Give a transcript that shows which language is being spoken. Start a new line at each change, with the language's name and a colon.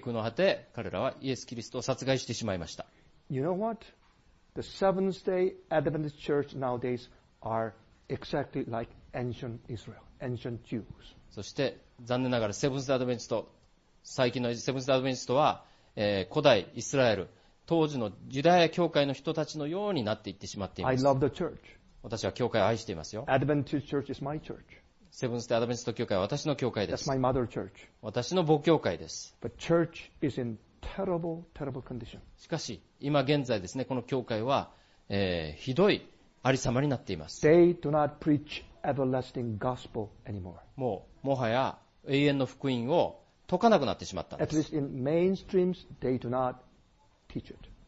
Japanese: 句の果て、彼らはイエス・キリストを殺害してしまいました。
English: You know what? The Seventh-day Adventist Church nowadays are exactly like ancient Israel, ancient Jews.
Japanese: そして、残念ながらセブンス・アドベンチスト最近のセブンス・アドベンチストは、古代イスラエル当時のユダヤ教会の人たちのようになっていってしまっています。
English: I love the church.
Japanese: 私は教会を愛していますよ。
English: Adventist Church is my church.
Japanese: セブンス・アドベンチスト教会は私の教会です。
English: That's my mother church.
Japanese: 私の母教会です。
English: But church is in terrible, terrible condition.
Japanese: しかし今現在ですね、この教会は、ひどいありさまになっています。
English: They do not preach everlasting gospel anymore.
Japanese: もうもはや永遠の福音を解かなくなってしまったんです。
English: At least in mainstreams, they do not teach it.